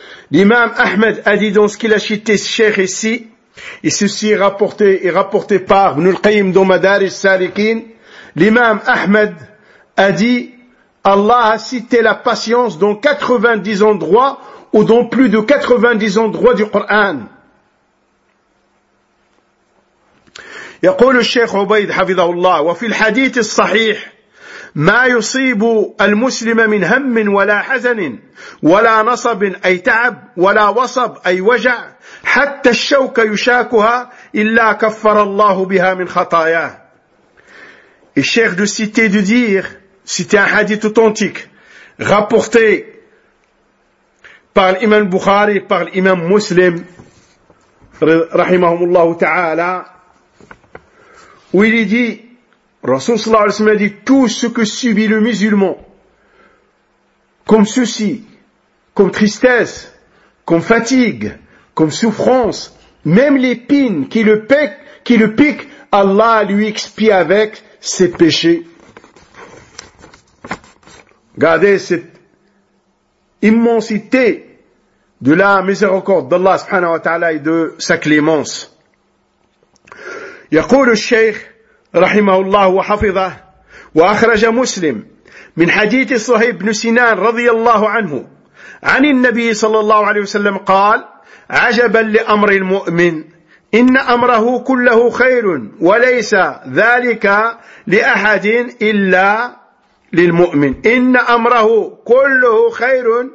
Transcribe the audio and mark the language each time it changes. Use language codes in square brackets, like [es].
[fr] L'imam Ahmed a dit dans ce qu'il a cité cher ici et ceci est rapporté par Ibn al-Qayyim dans Madar al-Salikin. L'imam Ahmed a dit Allah a cité la patience dans 90 endroits ou dans plus de 90 endroits du Coran. [ar] يقول الشيخ عبيد حفظه الله وفي الحديث الصحيح ما يصيب المسلم من هم ولا حزن ولا نصب أي تعب ولا وصب أي وجع حتى الشوك يشاكها إلا كفر الله بها من خطاياه. [fr] الشيخ de citer de dire c'était un hadith authentique rapporté par l'imam Bukhari par l'imam Muslim [ar] رحمهم الله تعالى [fr] où il dit, Rasoul [ar] sallallahu alayhi wa sallam [fr] a dit, tout ce que subit le musulman, comme souci, comme tristesse, comme fatigue, comme souffrance, même l'épine qui le pique, Allah lui expie avec ses péchés. Regardez cette immensité de la miséricorde d'Allah [ar] subhanahu wa ta'ala [fr] et de sa clémence. [ar] Yaqul al-Shaykh, رحمه الله وحفظه وأخرج مسلم من حديث صهيب بن سنان رضي الله عنه عن النبي صلى الله عليه وسلم قال عجبا لأمر المؤمن إن أمره كله خير وليس ذلك لأحد إلا للمؤمن إن أمره كله خير